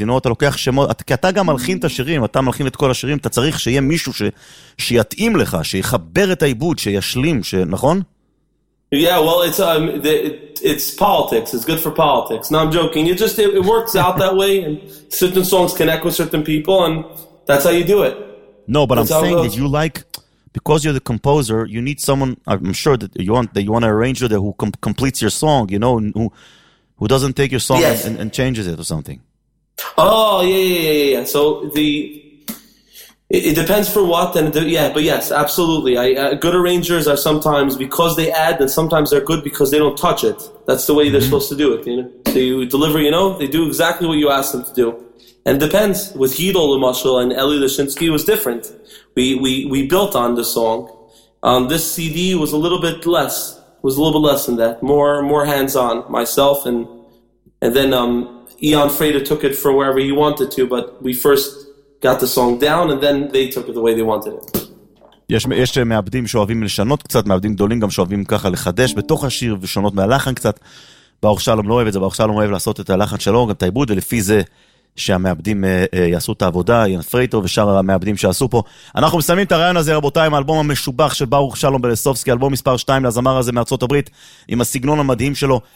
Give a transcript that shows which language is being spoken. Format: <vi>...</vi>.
<en>You know,</en> <he>אתה לוקח שמות, כי אתה גם מלחין את השירים, אתה מלחין את כל השירים, אתה צריך שיהיה מישהו שיתאים לך, שיחבר את העיבוד, שישלים, נכון?</he> <en>Yeah, well, it's politics. It's good for politics. No, I'm joking. It works out that way, and certain songs connect with certain people, and that's how you do it. No, but I'm saying that you like, because you're the composer, you need someone, I'm sure that you want an arranger that who completes your song, you know, who doesn't take your song and changes it or something. Oh, yeah. So it depends for what, and but yes, absolutely. Good arrangers are sometimes because they add, and sometimes they're good because they don't touch it. That's the way they're supposed to do it, you know. So you deliver, you know, they do exactly what you ask them to do. And it depends. With Hidol Lemashel and Eli Leshinsky, it was different. We built on the song. This CD was a little bit less. Was a little bit less than that, more hands on myself and then Ion Freider took it for wherever he wanted to, but we first got the song down and then they took it the way they wanted it.</en> <he>יש מעבדים שאוהבים לשנות קצת, מעבדים גדולים גם שאוהבים ככה לחדש בתוך השיר ושונות מהלחן קצת. ברוך שלום לא אוהב את זה, ברוך שלום אוהב לעשות את הלחן שלו גם את העיבוד, ולפי זה שהמעבדים יעשו את העבודה, ין פרייטו ושאר המעבדים שעשו פה. אנחנו מסיימים את הרעיון הזה, רבותיי, עם האלבום המשובח של ברוך שלום בלסובסקי, אלבום מספר 2 לזמר הזה מארצות הברית, עם הסגנון המדהים שלו.</he>